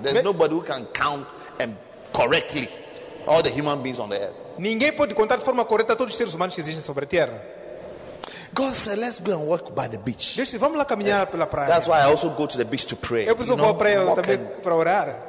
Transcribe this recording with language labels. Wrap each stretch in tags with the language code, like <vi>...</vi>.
<en>There's nobody who can count and correctly all the human beings on the earth.</en> <pt>Ninguém pode contar de forma correta todos os seres humanos que existem sobre a Terra.</pt> <en>God said, let's go and walk by the beach.</en> <pt>Deus, vamos lá caminhar pela praia.</pt> <en>That's why I also go to the beach to pray.</en> <pt>Eu preciso vou à praia também para orar.</pt>